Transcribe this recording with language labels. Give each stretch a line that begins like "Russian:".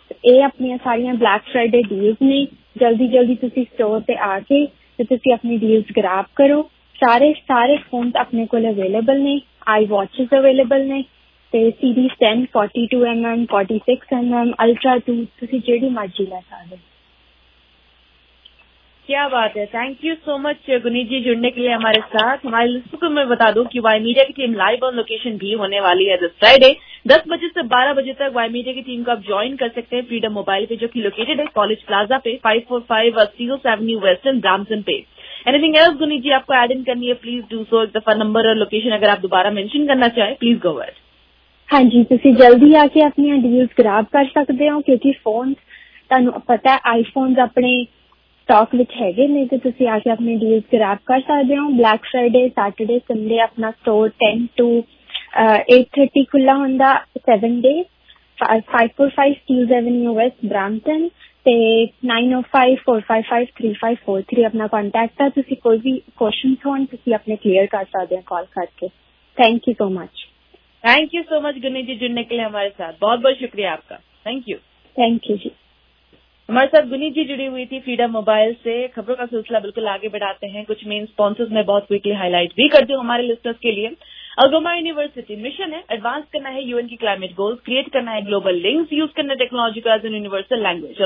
Punjabi: ਇਹ ਆਪਣੀਆਂ ਸਾਰੀਆਂ ਬਲੈਕ ਫ੍ਰਾਈਡੇ ਡੀਲਸ ਨੇ, ਜਲਦੀ ਜਲਦੀ ਤੁਸੀਂ ਸਟੋਰ ਤੇ ਆ ਕੇ ਤੇ ਤੁਸੀਂ ਆਪਣੀ ਡੀਲਸ ਗ੍ਰੈਬ ਕਰੋ। ਸਾਰੇ ਫੋਨ ਆਪਣੇ ਕੋਲ ਅਵੇਲੇਬਲ ਨੇ, ਆਈ ਵਾਚਿਸ ਅਵੇਲੇਬਲ ਨੇ, ਤੇ ਸੀਰੀਜ਼ 10, 42mm, 46mm, ਅਲਟਰਾ 2, ਤੁਸੀਂ ਜਿਹੜੀ ਮਰਜ਼ੀ ਲੈ ਸਕਦੇ।
Hindi: क्या बात है,
English: thank you so much
Hindi: Guneet जी जुड़ने के लिए हमारे साथ। हमारे लिस्ट को मैं बता दूं कि वाई मीडिया की टीम लाइव ऑन लोकेशन भी होने वाली है दिस फ्राइडे 10 बजे से 12 बजे तक। वाई मीडिया की टीम को आप ज्वाइन कर सकते हैं फ्रीडम मोबाइल पे, जो कि लोकेटेड है कॉलेज प्लाजा पे, 545 Seal Avenue Western, ब्राम्सन पे। एनीथिंग एल्स गुनीत जी आपको एड इन करनी है
English: please do so,
Hindi: एक दफा नंबर और लोकेशन अगर आप दोबारा मेंशन करना चाहें
English: Please go ahead.
Punjabi: हाँ जी, तुसी जल्दी आके अपनी डील्स ग्रैब कर सकते हो क्योंकि फोन तुहानू पता है आईफोन अपने ਸਟਾਕ ਵਿੱਚ ਹੈਗੇ ਨੇ, ਤੇ ਤੁਸੀਂ ਆ ਕੇ ਆਪਣੇ ਡੀਲਸ ਗ੍ਰੈਬ ਕਰ ਸਕਦੇ ਹੋ। ਬਲੈਕ ਫ੍ਰਾਈਡੇ, ਸੈਟਰਡੇ, ਸੰਡੇ ਆਪਣਾ ਸਟੋਰ 10 to 8:30 ਖੁੱਲਾ ਹੁੰਦਾ, 7 days, 545 Steel Avenue West, ਬ੍ਰਾਂਟਨ, ਤੇ 9054553543 ਆਪਣਾ ਕੰਟੈਕਟ ਆ। ਤੁਸੀਂ ਕੋਈ ਵੀ ਕੁਸ਼ਚਨਸ ਹੋਣ ਤੁਸੀਂ ਆਪਣੇ ਕਲੀਅਰ ਕਰ ਸਕਦੇ ਹੋ ਕਾਲ ਕਰਕੇ।
English: thank you so much, thank you so much
Hindi: ਗੁਨੀ ਜੀ ਜੁੜਨੇ ਕੇ ਲਈ ਹਮਾਰੇ ਸਾਥ, ਬਹੁਤ ਬਹੁਤ ਸ਼ੁਕਰੀਆ ਆਪਕਾ, ਥੈਂਕ ਯੂ।
English: Thank you ਜੀ।
Hindi: हमारे साथ गुनीत जी जुड़ी हुई थी फ्रीडम मोबाइल से, खबरों का सिलसिला बिल्कुल आगे बढ़ाते हैं। कुछ मेन स्पॉन्सर्स में बहुत क्विकली हाईलाइट भी करती हूँ हमारे लिस्टर्स के लिए। अल्गोमा यूनिवर्सिटी मिशन है एडवांस करना है UN की क्लाइमेट गोल्स, क्रिएट करना है ग्लोबल लिंक्स, यूज करना है टेक्नोलॉजी का
English: As an universal language.